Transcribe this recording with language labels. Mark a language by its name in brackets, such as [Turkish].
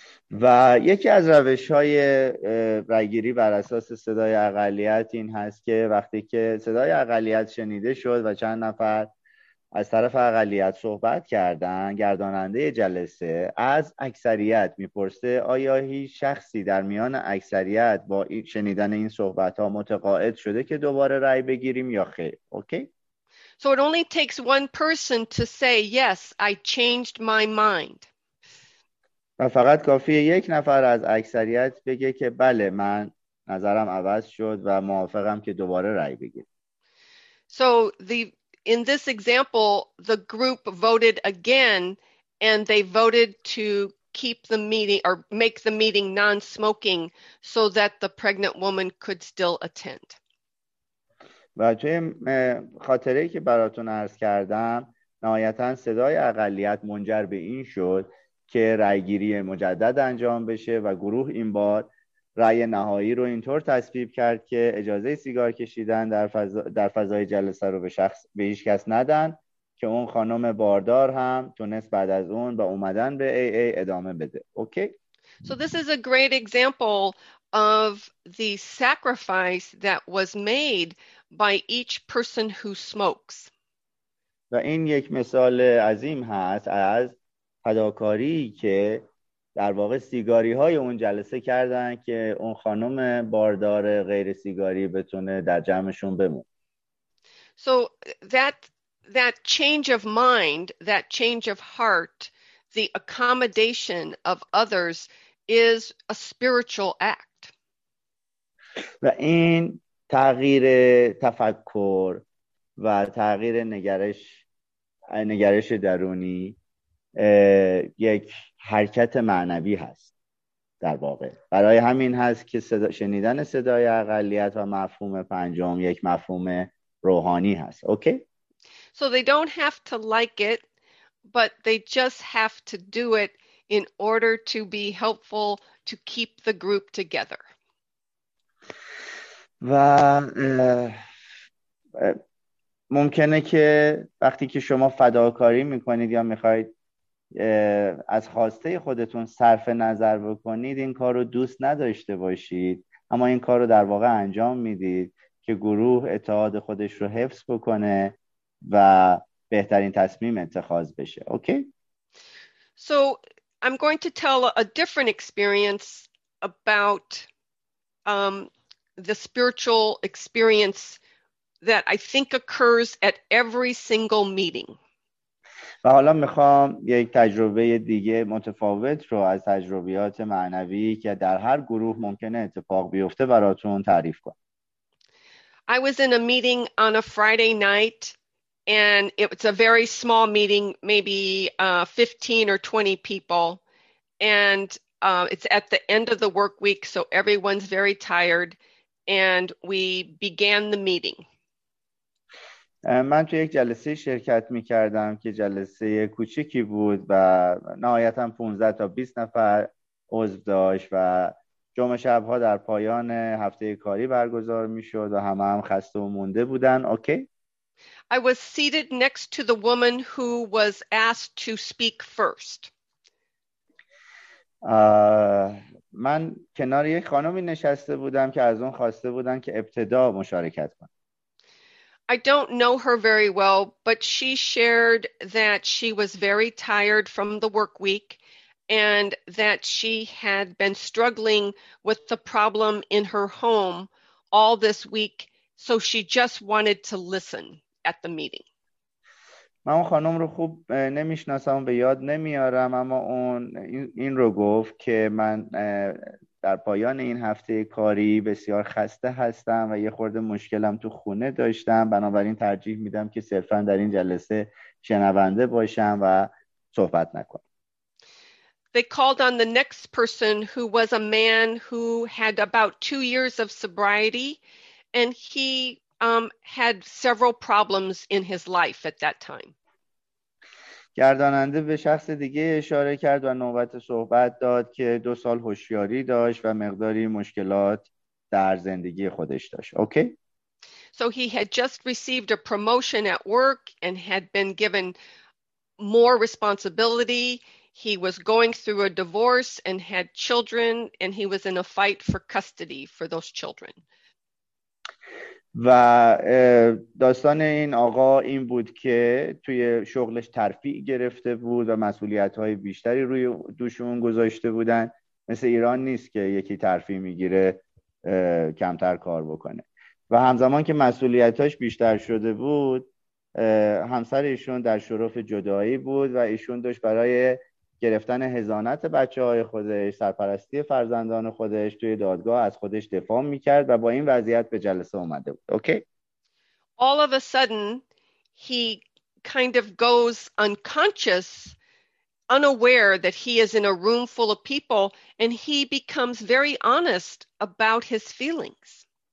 [Persian] و یکی از روش‌های رأی‌گیری بر اساس صدای اقلیت این هست که وقتی که صدای اقلیت شنیده شد و چند نفر از طرف اقلیت صحبت کردند، گرداننده جلسه از اکثریت می‌پرسه آیا هیچ شخصی در میان اکثریت با شنیدن این صحبت‌ها متقاعد شده که دوباره رأی بگیریم یا خیر. [English] Okay? So it only takes one person to say yes, I changed my mind. [Persian] و فقط کافیه یک نفر از اکثریت بگه که بله، من نظرم عوض شد و موافقم که دوباره رأی بگیرم. [English] So in this example, the group voted again and they voted to keep the meeting or make the meeting non-smoking so that the pregnant woman could still attend. [Persian] و توی خاطره‌ای که براتون عرض کردم، نهایتاً صدای اقلیت منجر به این شد که رأی‌گیری مجدد انجام بشه و گروه این بار رأی نهایی رو اینطور تصویب کرد که اجازه سیگار کشیدن در فضای جلسه رو به هیچ کس ندن، که اون خانم باردار هم تونست بعد از اون با اومدن به AA ادامه بده. [English] Okay? So this is a great example of the sacrifice that was made by each person who smokes. [Persian] و این یک مثال عظیم هست از فداکاری که در واقع سیگاری های اون جلسه کردن که اون خانم باردار غیر سیگاری بتونه در جمعشون بمونه. [English] So that change of mind, that change of heart, the accommodation of others is a spiritual act. [Persian] و این تغییر تفکر و تغییر نگرش درونی یک حرکت معنوی هست در واقع. برای همین هست که شنیدن صدای اقلیت و مفهوم پنجم یک مفهوم روحانی هست. اوکی؟ [English] So they don't have to like it, but they just have to do it in order to be helpful to keep the group together. [Persian] و ممکنه که وقتی که شما فداکاری میکنید یا میخواید از خواسته خودتون صرف نظر بکنید این کار رو دوست نداشته باشید اما این کار رو در واقع انجام میدید که گروه اتحاد خودش رو حفظ بکنه و بهترین تصمیم اتخاذ بشه. [English] Okay? So I'm going to tell a different experience about the spiritual experience that I think occurs at every single meeting. [Persian] و حالا میخوام یک تجربه دیگه متفاوت رو از تجربیات معنوی که در هر گروه ممکنه اتفاق بیفته براتون تعریف کنم. [English] I was in a meeting on a Friday night and it's a very small meeting, maybe 15 or 20 people. And it's at the end of the work week, so everyone's very tired. And we began the meeting. [Persian] من توی یک جلسه شرکت می کردم که جلسه کوچکی بود و نهایتا 15 تا 20 نفر عضو داشت و جمعه شبها در پایان هفته کاری برگزار می شد و همه هم خسته و مونده بودن. [English] Okay? I was seated next to the woman who was asked to speak first. [Persian] من کنار یک خانمی نشسته بودم که از اون خواسته بودن که ابتدا مشارکت کنه. [English] I don't know her very well, but she shared that she was very tired from the work week and that she had been struggling with the problem in her home all this week, so she just wanted to listen at the meeting. [Persian] من اون خانم رو خوب نمیشناسم و به یاد نمیارم اما اون این رو گفت که من در پایان این هفته کاری بسیار خسته هستم و یه خورده مشکلم تو خونه داشتم بنابراین ترجیح میدم که صرفا در این جلسه شنونده باشم و صحبت نکنم. [English] They called on the next person who was a man who had about 2 years of sobriety and he had several problems in his life at that time. [Persian] گرداننده به شخص دیگه اشاره کرد و نوبت صحبت داد که 2 سال هوشیاری داشت و مقداری مشکلات در زندگی خودش داشت. [English] Okay? So he had just received a promotion at work and had been given more responsibility. He was going through a divorce and had children and he was in a fight for custody for those children. [Persian] و داستان این آقا این بود که توی شغلش ترفیع گرفته بود و مسئولیت‌های بیشتری روی دوش اون گذاشته بودن مثل ایران نیست که یکی ترفیع میگیره کمتر کار بکنه و همزمان که مسئولیت‌هاش بیشتر شده بود همسر ایشون در شرف جدایی بود و ایشون داشت برای گرفتن حضانت بچه‌های خودش، سرپرستی فرزندان خودش توی دادگاه از خودش دفاع می‌کرد و با این وضعیت به جلسه اومده بود. [English] Okay? All of a sudden he kind of goes unconscious, unaware that he is in a room full of people and he becomes very honest about his feelings.